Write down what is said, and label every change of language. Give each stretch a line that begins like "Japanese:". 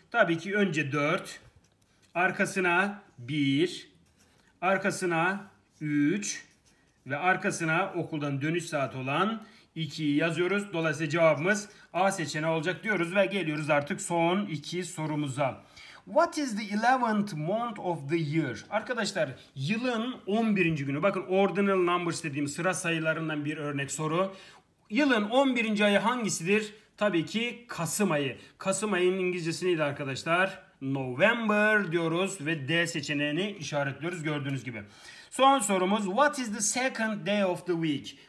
Turkish: Tabii ki önce 4, arkasına 1, arkasına 3 ve arkasına okuldan dönüş saat olan 2'yi yazıyoruz. Dolayısıyla cevabımız A seçeneği olacak diyoruz ve geliyoruz artık son 2 sorumuza.
English: What is the 11th month of the year?
Turkish: Arkadaşlar yılın 11. günü. Bakın
English: ordinal numbers
Turkish: dediğim sıra sayılarından bir örnek soru. Yılın 11. ayı hangisidir? Tabii ki Kasım ayı. Kasım ayının İngilizcesi neydi arkadaşlar? November diyoruz ve D seçeneğini işaretliyoruz gördüğünüz gibi. Son sorumuz
English: What is the second day of the week?